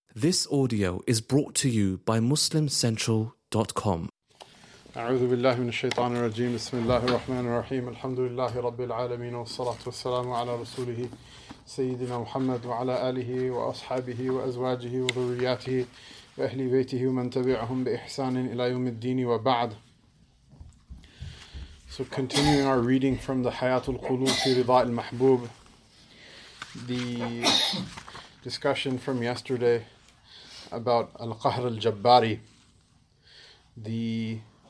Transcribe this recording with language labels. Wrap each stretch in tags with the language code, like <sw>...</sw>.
<en>This audio is brought to you by MuslimCentral.com.</en> <ar>أعوذ بالله من الشيطان الرجيم بسم الله الرحمن الرحيم الحمد لله رب العالمين والصلاة والسلام على رسوله سيدنا محمد وعلى آله وأصحابه وأزواجه وذرياته وأهل بيته ومن تبعهم بإحسان إلى يوم الدين وبعد.</ar> <en>So continuing our reading from the Hayat al-Qulub fi Ridha al-Mahbub, the discussion from yesterday about Al-Qahr al-Jabbari, the</en>